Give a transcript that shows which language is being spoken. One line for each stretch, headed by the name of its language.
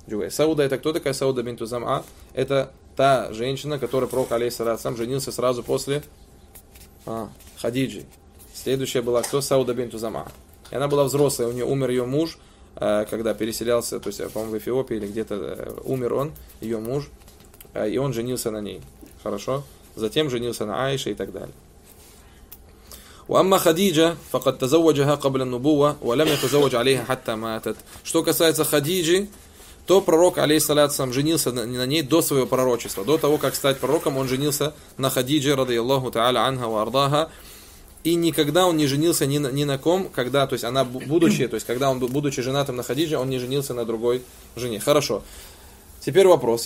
Russian: Сауда, это кто такая Сауда бинту Зам'а? Это та женщина, которая пророк, алейхиссалям, женился сразу после Хадиджи. Следующая была кто? Сауда бинту Зам'а. И она была взрослая, у нее умер ее муж, когда переселялся, то есть, по-моему, в Эфиопии или где-то умер он, ее муж, и он женился на ней. Хорошо? Затем женился на Аише и так далее.
Arabic: وأما خديجة فقد تزوجها قبل النبوة ولم يتزوج عليها حتى ماتت.
Russian: Что касается Хадиджи, то пророк алейхиссалям женился на ней до своего пророчества, до того как стать пророком, он женился на Хадиджи радиаллаху тааля анха ва ардаха. И никогда он не женился ни на ком, когда, то есть она будучи, то есть когда он будучи женатым на Хадиджи, он не женился на другой жене. Хорошо. Теперь вопрос.